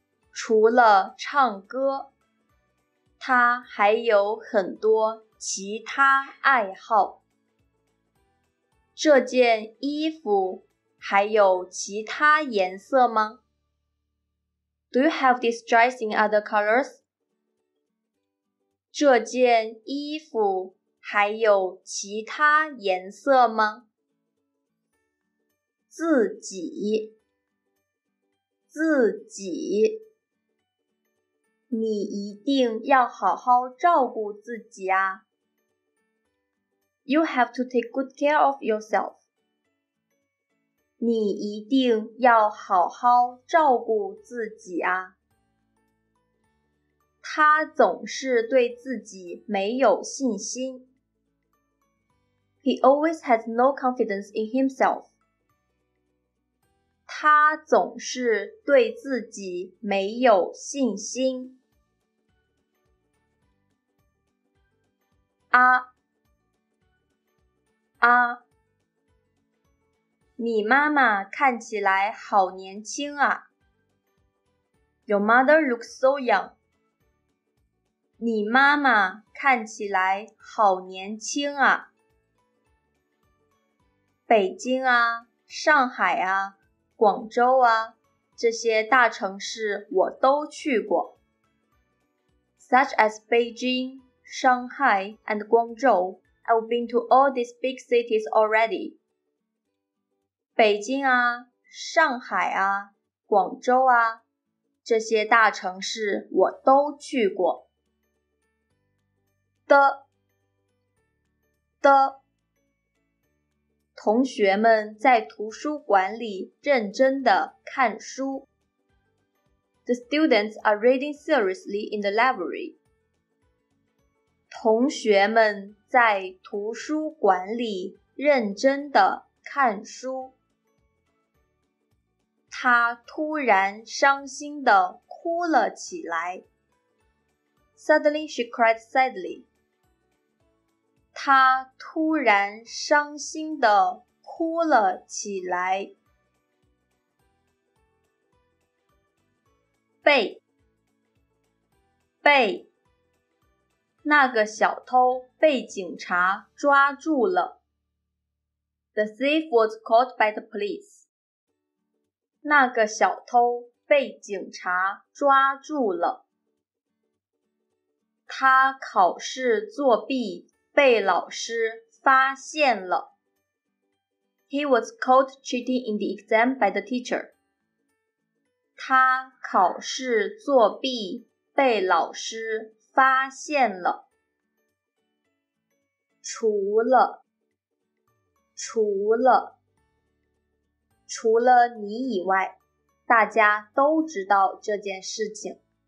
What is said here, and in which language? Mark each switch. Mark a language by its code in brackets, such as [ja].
[zh] 除了唱歌，他还有很多其他爱好。这件衣服还有其他颜色吗？ [en] Do you have this dress in other colors? [zh] 这件衣服还有其他颜色吗？自己，自己，你一定要好好照顾自己啊。 [en] You have to take good care of yourself. [zh] 你一定要好好照顾自己啊。他总是对自己没有信心。 [en] He always has no confidence in himself. [zh] 他总是对自己没有信心。啊，啊，你妈妈看起来好年轻啊。 [en] Your mother looks so young. [zh] 你妈妈看起来好年轻啊。北京啊，上海啊，广州啊，这些大城市我都去过。 [en] Such as Beijing, Shanghai, and Guangzhou, I've been to all these big cities already. [zh] 北京啊，上海啊，广州啊，这些大城市我都去过。的的，同学们在图书馆里认真地看书。 [en] The students are reading seriously in the library. [zh] 同学们在图书馆里认真地看书。他突然伤心地哭了起来。 [en] Suddenly she cried sadly. [zh] 他突然伤心地哭了起来。背背，那个小偷被警察抓住了。 [en] The thief was caught by the police. [zh] 那个小偷被警察抓住了。他考试作弊被老师发现了。 [en] He was caught cheating in the exam by the teacher. [zh] 他考试作弊被老师发现了。除了除了除了你以外，大家都知道这件事情。